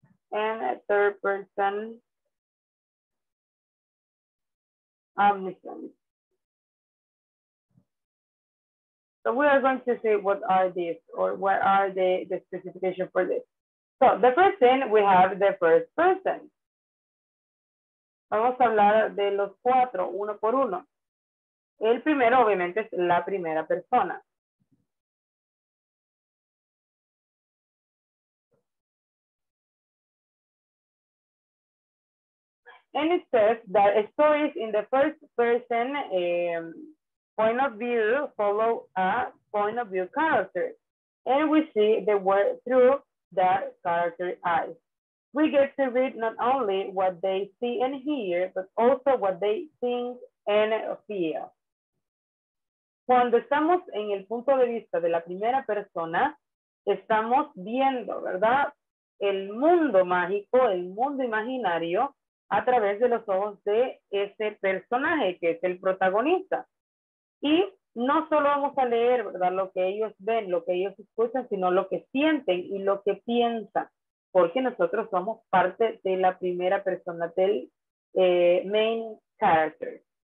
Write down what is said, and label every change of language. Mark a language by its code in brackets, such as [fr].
[en] And a third person omniscient. So we are going to see what are these, or what are the specification for this. So the first thing, we have the first person. [es] Vamos a hablar de los cuatro, uno por uno. El primero, obviamente, es la primera persona. [en] And it says that stories in the first person point of view follow a point of view character. And we see the world through that character's eyes. We get to read not only what they see and hear, but also what they think and feel. [es] Cuando estamos en el punto de vista de la primera persona, estamos viendo, ¿verdad? El mundo mágico, el mundo imaginario, a través de los ojos de ese personaje que es el protagonista. Y no solo vamos a leer, ¿verdad? Lo que ellos ven, lo que ellos escuchan, sino lo que sienten y lo que piensan, porque nosotros somos parte de la primera persona, del [en] main character.